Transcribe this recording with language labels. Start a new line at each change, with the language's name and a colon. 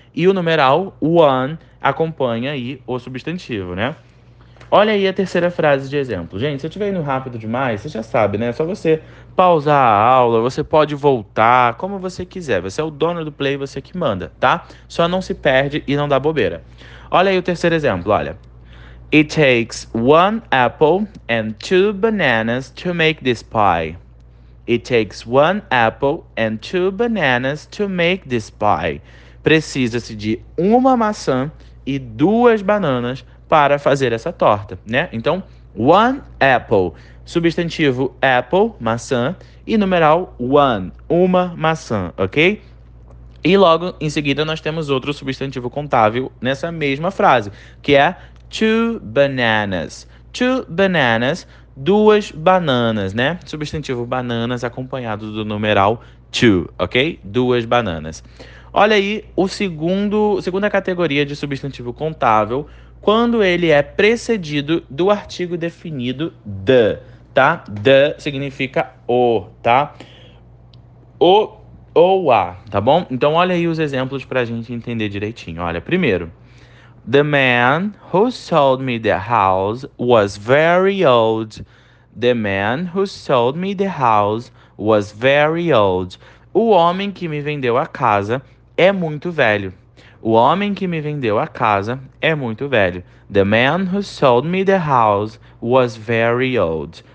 Portuguese: E o numeral one acompanha aí o substantivo, né? Olha aí a terceira frase de exemplo. Gente, se eu estiver indo rápido demais, você já sabe, né? É só você pausar a aula, você pode voltar, como você quiser. Você é o dono do play, você que manda, tá? Só não se perde e não dá bobeira. Olha aí o terceiro exemplo, olha.
English: It takes one apple and two bananas to make this pie. It takes one apple and two bananas to make this pie.
Portuguese: Precisa-se de uma maçã e duas bananas para fazer essa torta, né? Então, one apple, substantivo apple, maçã, e numeral one, uma maçã, ok? E logo em seguida nós temos outro substantivo contável nessa mesma frase, que é two bananas.
English: Two bananas,
Portuguese: duas bananas, né? Substantivo bananas acompanhado do numeral two, ok? Duas bananas. Olha aí o segunda categoria de substantivo contável, quando ele é precedido do artigo definido the, tá? The significa o, tá? Ou a, tá bom? Então olha aí os exemplos para a gente entender direitinho. Olha, primeiro,
English: the man who sold me the house was very old. The man who sold me the house was very old.
Portuguese: O homem que me vendeu a casa é muito velho. O homem que me vendeu a casa é muito velho.
English: The man who sold me the house was very old.